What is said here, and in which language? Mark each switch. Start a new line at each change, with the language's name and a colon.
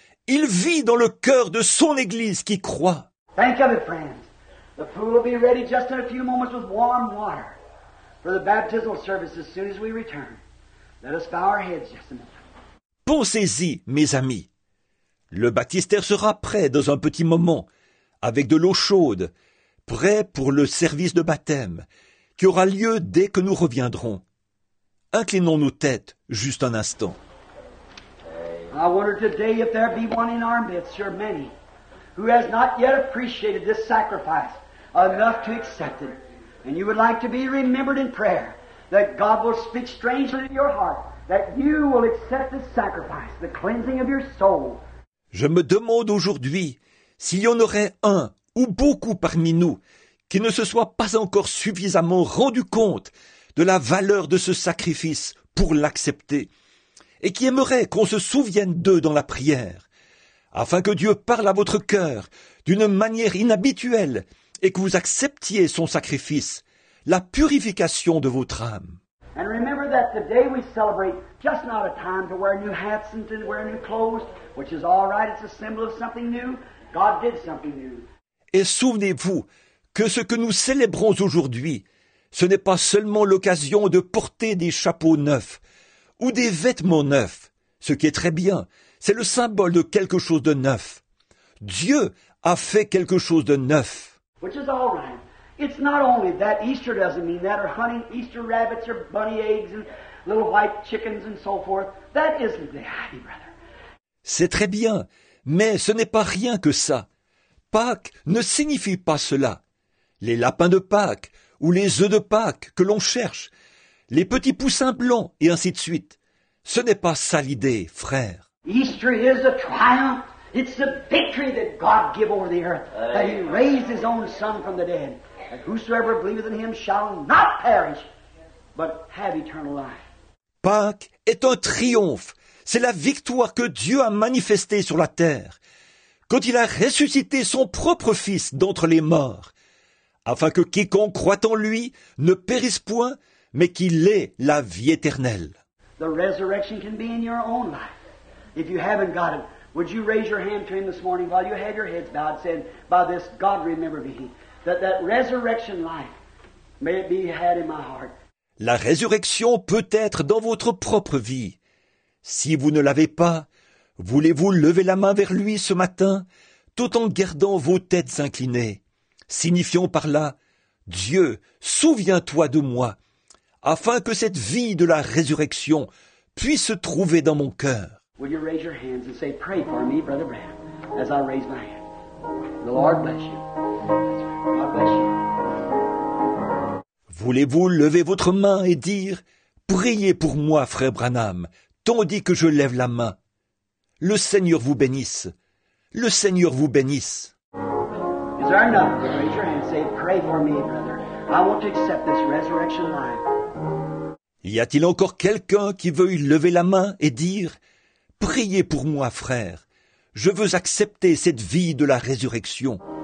French: Il vit dans le cœur de son Église qui croit.
English: Think of it, friends. The pool will be ready just in a few moments with warm water for the baptismal service as soon as we return. Let us bow our heads just a minute.
French: Pensez-y, mes amis. Le baptistère sera prêt dans un petit moment, avec de l'eau chaude, prêt pour le service de baptême, qui aura lieu dès que nous reviendrons. Inclinons nos têtes juste un instant.
English: I wonder today if there be one in our midst, or many, who has not yet appreciated this sacrifice enough to accept it, and you would like to be remembered in prayer. That God will speak strangely in your heart, that you will accept the sacrifice, the cleansing of your soul.
French: Je me demande aujourd'hui s'il y en aurait un ou beaucoup parmi nous qui ne se soit pas encore suffisamment rendu compte de la valeur de ce sacrifice pour l'accepter et qui aimerait qu'on se souvienne d'eux dans la prière, afin que Dieu parle à votre cœur d'une manière inhabituelle et que vous acceptiez son sacrifice. La purification de votre âme.
English: And remember that today we celebrate just not a time to wear new hats and to wear new clothes, which is all right, it's a symbol of something new. God did something new.
French: Et souvenez-vous que ce que nous célébrons aujourd'hui, ce n'est pas seulement l'occasion de porter des chapeaux neufs ou des vêtements neufs, ce qui est très bien, c'est le symbole de quelque chose de neuf. Dieu a fait quelque chose de neuf.
English: Which is all right. It's not only that Easter doesn't mean that, or hunting Easter rabbits or bunny eggs and little white chickens and so forth. That isn't the idea, brother.
French: C'est très bien, mais ce n'est pas rien que ça. Pâques ne signifie pas cela. Les lapins de Pâques ou les œufs de Pâques que l'on cherche, les petits poussins blancs et ainsi de suite, ce n'est pas ça l'idée, frère.
English: Easter is a triumph. It's the victory that God gave over the earth, that He raised His own Son from the dead. And whosoever believeth in Him shall not perish, but have eternal life.
French: Pâques est un triomphe. C'est la victoire que Dieu a manifestée sur la terre quand il a ressuscité son propre Fils d'entre les morts, afin que quiconque croit en lui ne périsse point, mais qu'il ait la vie éternelle.
English: The resurrection can be in your own life. If you haven't got it, would you raise your hand to him this morning while you had your heads bowed, saying, by this, God remember me. That resurrection life, may it be had in my heart.
French: La résurrection peut être dans votre propre vie. Si vous ne l'avez pas, voulez-vous lever la main vers lui ce matin, tout en gardant vos têtes inclinées, signifiant par là, Dieu, souviens-toi de moi, afin que cette vie de la résurrection puisse se trouver dans mon cœur.
English: Would you raise your hands and say, pray for me, Brother Brown, as I raise my hand. The Lord bless you. God bless you.
French: Voulez-vous lever votre main et dire, priez pour moi, Frère Branham, tandis que je lève la main. Le Seigneur vous bénisse. Le Seigneur vous bénisse.
English: Is there enough? Raise your hand and say, pray for me, brother. I want to accept this resurrection life.
French: Y a-t-il encore quelqu'un qui veuille lever la main et dire, priez pour moi, frère. Je veux accepter cette vie de la résurrection.